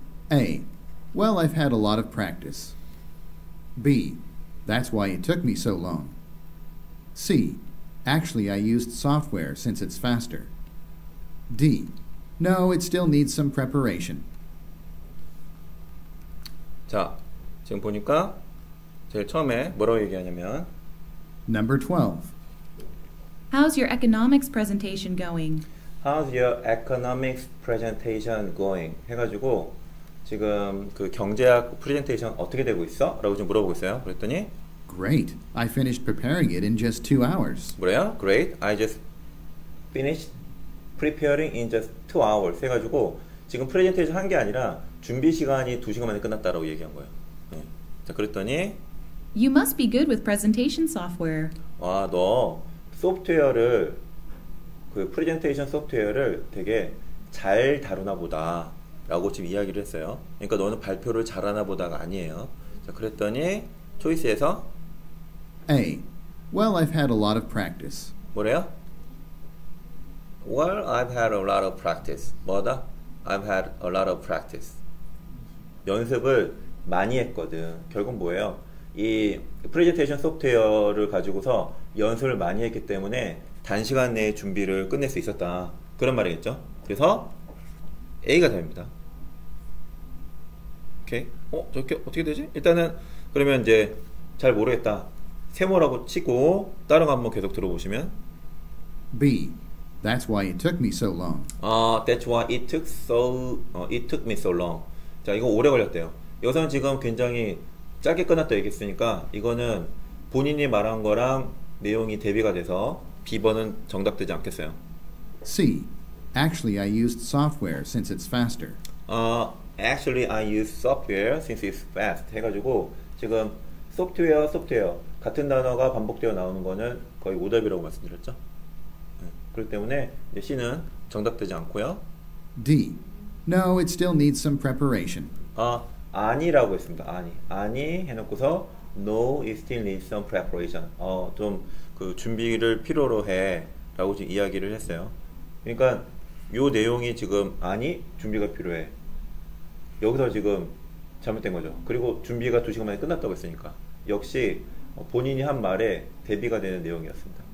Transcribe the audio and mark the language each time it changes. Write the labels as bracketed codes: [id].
[en] A. Well, I've had a lot of practice. B. That's why it took me so long. C. Actually, I used software since it's faster. D. No, it still needs some preparation. [ko] 자, 지금 보니까 제일 처음에 뭐라고 얘기하냐면 [en] Number 12. How's your economics presentation going? How's your economics presentation going? [ko] 해가지고 지금 그 경제학 프레젠테이션 어떻게 되고 있어? 라고 좀 물어보고 있어요. 그랬더니 [en] Great. I finished preparing it in just 2 hours. [ko] 뭐래요? Great. [en] I just finished preparing in just 2 hours. [ko] 해가지고 지금 프레젠테이션 한 게 아니라 준비 시간이 2시간 만에 끝났다라고 얘기한 거예요. 네. 자, 그랬더니 [en] You must be good with presentation software. [ko] 아, 너 소프트웨어를 그 프레젠테이션 소프트웨어를 되게 잘 다루나 보다 라고 지금 이야기를 했어요. 그러니까 너는 발표를 잘하나 보다가 아니에요. 자, 그랬더니 초이스에서 [en] A. Well, I've had a lot of practice. [ko] 뭐래요? [en] Well, I've had a lot of practice. [ko] 뭐다? [en] I've had a lot of practice. [ko] 연습을 많이 했거든. 결국 뭐예요? 이 프레젠테이션 소프트웨어를 가지고서 연습을 많이 했기 때문에 단시간 내에 준비를 끝낼 수 있었다. 그런 말이겠죠? 그래서 A가 답입니다. 오케이. 어? 저렇게 어떻게 되지? 일단은 그러면 이제 잘 모르겠다. 세모라고 치고 다른 거 한번 계속 들어보시면 [en] B. That's why it took me so long. That's why it took so it took me so long. [ko] 자, 이거 오래 걸렸대요. 여기서는 지금 굉장히 짧게 끝났다 얘기했으니까 이거는 본인이 말한 거랑 내용이 대비가 돼서 B번은 정답되지 않겠어요. [en] C. Actually, I used software since it's faster. Actually, I used software since it's fast. [ko] 해가지고 지금 소프트웨어 같은 단어가 반복되어 나오는 거는 거의 오답이라고 말씀드렸죠. 그렇기 때문에 이제 C는 정답되지 않고요. [en] D. No, it still needs some preparation. [ko] 아니라고 했습니다. 아니 해놓고서 [en] No, it still needs some preparation. [ko] 좀 그 준비를 필요로 해라고 지금 이야기를 했어요. 그러니까 요 내용이 지금 아니 준비가 필요해. 여기서 지금 잘못된 거죠. 그리고 준비가 2시간 만에 끝났다고 했으니까 역시 본인이 한 말에 대비가 되는 내용이었습니다.